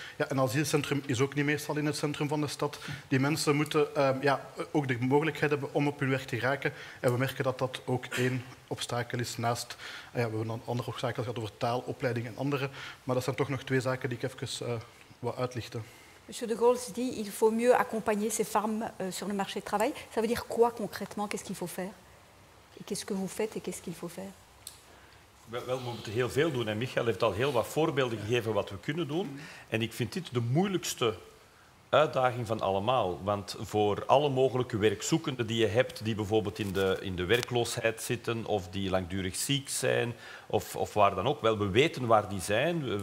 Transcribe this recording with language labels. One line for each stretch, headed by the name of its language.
Dutch: Ja, een asielcentrum is ook niet meestal in het centrum van de stad. Die mensen moeten ook de mogelijkheid hebben om op hun werk te geraken. En we merken dat dat ook één obstakel is naast... Ja, we hebben dan andere obstakels gehad over taal, opleiding en andere. Maar dat zijn toch nog twee zaken die ik even wil uitlichten.
French: Monsieur de Gaulle dit qu'il faut mieux accompagner ces femmes sur le marché du travail. Ça veut dire quoi concrètement? Qu'est-ce qu'il faut faire? Et qu'est-ce que vous faites et qu'est-ce qu'il faut faire?
Dutch: Wel, we moeten heel veel doen. En Michael heeft al heel wat voorbeelden gegeven wat we kunnen doen. En ik vind dit de moeilijkste uitdaging van allemaal. Want voor alle mogelijke werkzoekenden die je hebt, die bijvoorbeeld in de werkloosheid zitten of die langdurig ziek zijn of waar dan ook, wel, we weten waar die zijn.